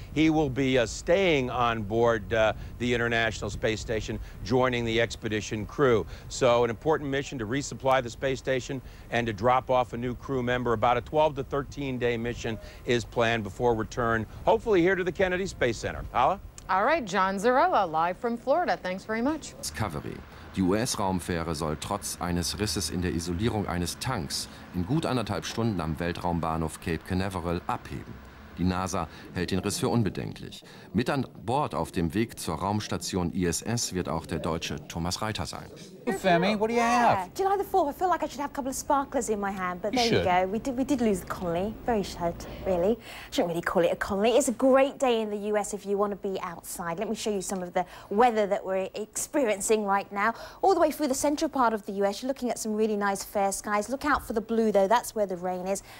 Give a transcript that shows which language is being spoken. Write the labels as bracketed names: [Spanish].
[English] He will be staying on board the International Space Station, joining the expedition crew. So an important mission to resupply the space station and to drop off a new crew member. About a 12 to 13 day mission is planned before return, hopefully here to the Kennedy Space Center. Paula? All right, John Zarella, live from Florida. Thanks very much. Discovery. [German] Die US-Raumfähre soll trotz eines Risses in der Isolierung eines Tanks in gut anderthalb Stunden am Weltraumbahnhof Cape Canaveral abheben. Die NASA hält den Riss für unbedenklich. Mit an Bord auf dem Weg zur Raumstation ISS wird auch der Deutsche Thomas Reiter sein. [English] Femi, what do you have? Yeah. July the 4th, I feel like I should have a couple of sparklers in my hand, but there you go. We did lose the colony. Very sad, really. Shouldn't really call it a colony. It's a great day in the US if you want to be outside. Let me show you some of the weather that we're experiencing right now. All the way through the central part of the US, you're looking at some really nice fair skies. Look out for the blue, though. That's where the rain is.